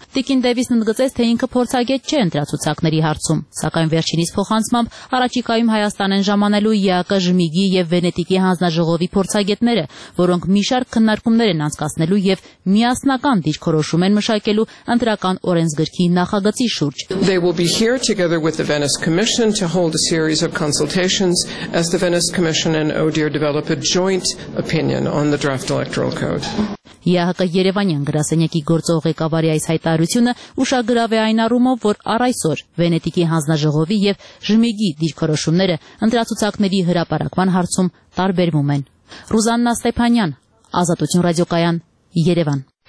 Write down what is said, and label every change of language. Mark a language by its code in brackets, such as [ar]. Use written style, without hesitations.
[hy] Տիկին Դեյվիսն ընդգծեց, թե ինքը փորձագետ չէ ընտրացուցակների հարցում, սակայն վերջինիս փոխանցմամբ առաջիկայում Հայաստանեն ժամանելու ԵՀԿ-ի ԺՄԻԳ-ի եւ Վենետիկի հանձնաժողովի փորձագետները, որոնք քննարկումներ են անցկացնելու եւ միասնական դիրքորոշում են մշակելու ընտրական օրենսգրքի նախագծի շուրջ։ [en] They will be here together with the Venice Commission to hold a series of consultations as the Venice Commission and ODIHR develop a joint opinion on the draft electoral code. [hy] ԵՀԿ Երևանյան գրասենյակի գործող ղեկավարի այս հայտարարությունը ուշագրավ է այն առումով, որ առայսօր Վենետիկի հանձնաժողովի եւ ԺՄԻԳ-ի դիրքորոշումները ընտրացուցակների հրապարակման հարցում տարբերվում են։ Ռուզաննա Ստեփանյան, Ազատություն ռադիոկայան, Երևան։